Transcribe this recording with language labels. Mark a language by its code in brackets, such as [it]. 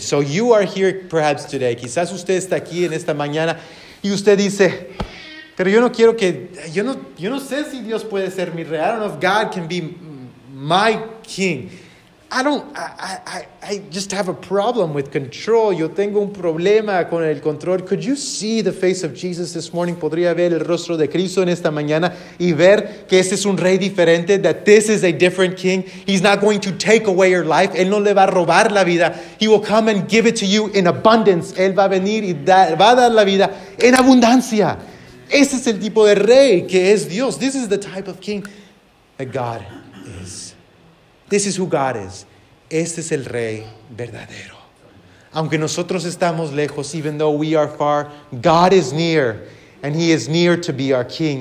[en] So you are here perhaps today, [es] quizás usted está aquí en esta mañana y usted dice, pero yo no quiero que, yo no sé si Dios puede ser mi rey. [en] I don't know if God can be my king. I just have a problem with control. [es] Yo tengo un problema con el control. [en] Could you see the face of Jesus this morning? [es] ¿Podría ver el rostro de Cristo en esta mañana y ver que este es un rey diferente? [en] That this is a different king. He's not going to take away your life. [es] Él no le va a robar la vida. [en] He will come and give it to you in abundance. [es] Él va a venir y va a dar la vida en abundancia. Ese es el tipo de rey que es Dios. [en] This is the type of king that God is. This is who God is. [es] Este es el rey verdadero. Aunque nosotros estamos lejos, [en] even though we are far, God is near, and he is near to be our king.